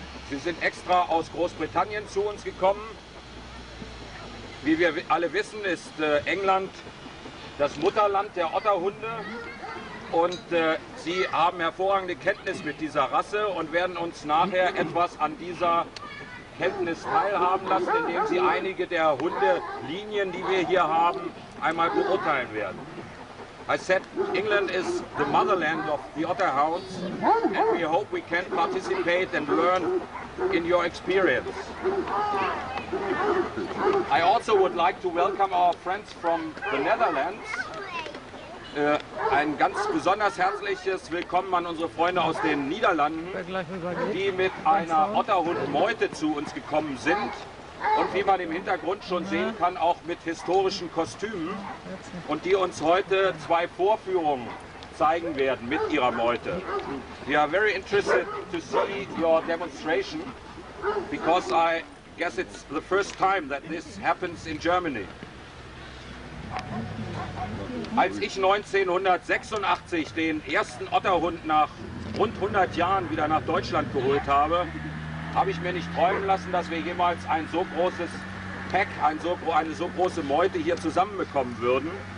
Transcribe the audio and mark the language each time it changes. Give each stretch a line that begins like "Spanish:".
German: Sie sind extra aus Großbritannien zu uns gekommen. Wie wir alle wissen, ist England das Mutterland der Otterhunde. Und Sie haben hervorragende Kenntnis mit dieser Rasse und werden uns nachher etwas an dieser Kenntnis teilhaben lassen, indem Sie einige der Hundelinien, die wir hier haben, einmal beurteilen werden.
English: I said England is the motherland of the Otterhounds and we hope we can participate and learn in your experience. I also would like to welcome our friends from the Netherlands.
German: Ein ganz besonders herzliches Willkommen an unsere Freunde aus den Niederlanden, die mit einer Otterhundmeute zu uns gekommen sind. Und wie man im Hintergrund schon sehen kann, auch mit historischen Kostümen. Und die uns heute zwei Vorführungen zeigen werden mit ihrer Meute.
English: We are very interested to see your demonstration, because I guess it's the first time that this happens in Germany.
German: Als ich 1986 den ersten Otterhund nach rund 100 Jahren wieder nach Deutschland geholt habe, habe ich mir nicht träumen lassen, dass wir jemals ein so großes Pack, eine so große Meute hier zusammenbekommen würden.